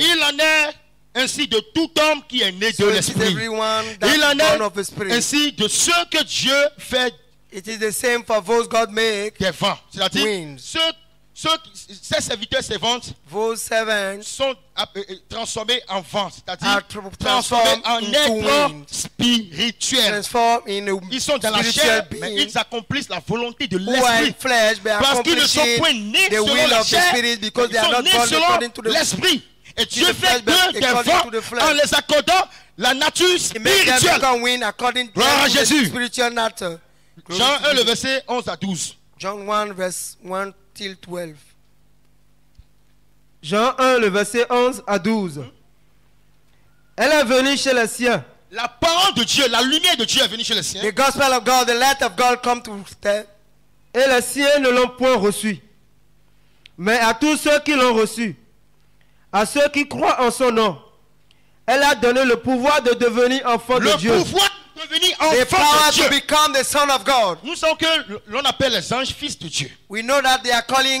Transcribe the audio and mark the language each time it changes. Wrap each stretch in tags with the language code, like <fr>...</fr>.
<fr>Il en est ainsi de tout homme qui est né</fr> <en>so</en> <fr>de l'esprit. Il en est</fr> <en>born of spirit.</en> <fr>Ainsi de ceux que Dieu fait.</fr> <en>It is the same for those God make.</en> <fr>Des vents. C'est-à-dire</fr> <en>winds.</en> <fr>Ces serviteurs servantes</fr> <en>vos servants</en> <fr>sont transformés en vent, c'est-à-dire transformés en être spirituel. Ils sont dans la chair, mais ils accomplissent la volonté de l'esprit.</fr> <en>Flesh,</en> <fr>parce qu'ils ne sont point nés selon la chair, ils sont nés selon l'esprit. Et Dieu fait de vent en les accordant la nature spirituelle. Gloire à Jésus. Jean 1, le verset 11 à 12.</fr> <en>John 1,</en> <fr>verset 1 à 12.</fr> <en>Till 12.</en> <fr>Jean 1, le verset 11 à 12. Elle est venue chez les siens. La parole de Dieu, la lumière de Dieu est venue chez les siens.</fr> <en>The gospel of God, the light of God come to them.</en> <fr>Et les siens ne l'ont point reçu. Mais à tous ceux qui l'ont reçu, à ceux qui croient en son nom, elle a donné le pouvoir de devenir enfant le de Dieu. Le pouvoir devenir enfant de Dieu.</fr> <en>To become the son of God.</en> <fr>Nous savons que l'on appelle les anges fils de Dieu.</fr> <en>We know that they are calling</en>